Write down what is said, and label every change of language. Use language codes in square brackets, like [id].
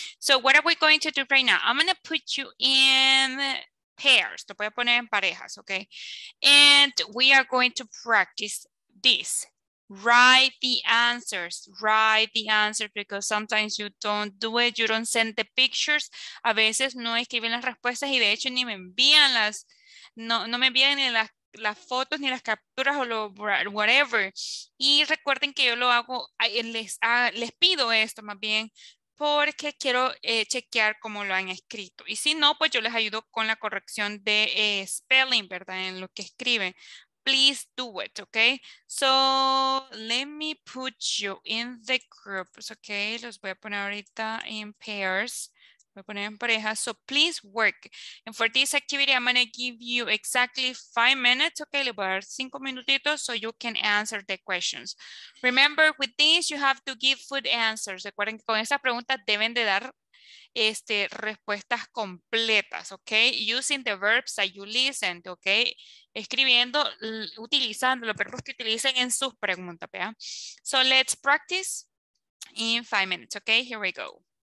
[en] So what are we going to do right now? I'm gonna put you in pairs. [es] Te voy a poner en parejas, [en] okay? And we are going to practice this. Write the answers. Write the answers because sometimes you don't do it. You don't send the pictures. [es] A veces no escriben las respuestas y de hecho ni me envían las, no me envían ni las fotos ni las capturas o lo whatever. Y recuerden que yo lo hago, les pido esto más bien porque quiero chequear cómo lo han escrito. Y si no, pues yo les ayudo con la corrección de spelling, ¿verdad? En lo que escriben. [en] Please do it, okay? So let me put you in the groups, okay? [es] Los voy a poner ahorita [en] in pairs. [es] Voy a poner en pareja. [en] So please work. And for this activity, I'm gonna give you exactly 5 minutes, okay? [es] Le voy a dar 5 minutitos [en] so you can answer the questions. Remember, with this, you have to give food answers. [es] Recuerden que con esta pregunta deben de dar respuestas completas, okay? [en] Using the verbs that you listened, okay? [es] Escribiendo, utilizando los verbos que utilicen en sus preguntas, ¿vea? [en] So let's practice in 5 minutes, okay? Here we go.